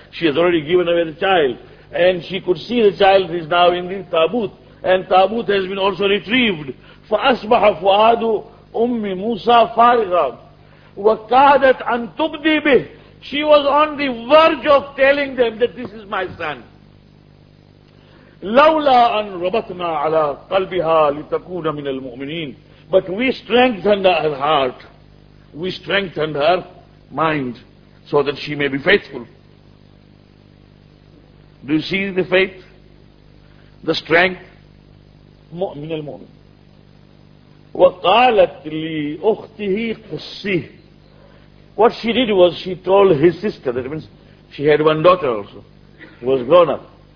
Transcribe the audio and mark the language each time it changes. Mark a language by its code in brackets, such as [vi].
[en] She has already given away the child. And she could see the child is now in the tabut. And tabut has been also retrieved. [ar] فَأَصْبَحَ فُؤَادُ أُمِّ مُوسَى فَارِغًا وَكَادَتْ أَن تُبْدِي بِهِ [en] She was on the verge of telling them that this is my son. [ar] لَوْلَا أَن رَبَطْنَا عَلَىٰ قَلْبِهَا لِتَكُونَ مِنَ الْمُؤْمِنِينَ [en] But we strengthened her heart. We strengthened her mind so that she may be faithful. Do you see the faith? The strength? [ar] مؤمن المؤمن. وَقَالَتْ لِي أُخْتِهِ قُصِّهِ [en] What she did was she told his sister, that means she had one daughter also, who was grown up.